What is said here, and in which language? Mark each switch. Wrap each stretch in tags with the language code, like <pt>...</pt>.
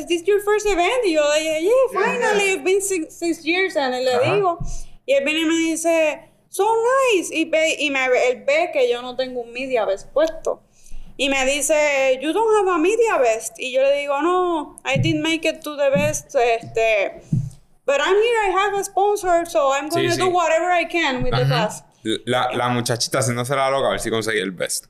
<en>Is this your first event?</en> <es>Y yo,</es> <en>yeah, finally. It's been six years. And</en> <es>él le digo. Y él viene y me dice,</es> <en>so nice.</en> <es>Él ve que yo no tengo un media vest puesto. Y me dice,</es> <en>you don't have a media vest.</en> <es>Y yo le digo, no,</es> <en>I didn't make it to the vest. But I'm here, I have a sponsor, so I'm going to do whatever I can with the vest.</en> <es>La muchachita haciéndose la loca a ver si consigue el vest.</es>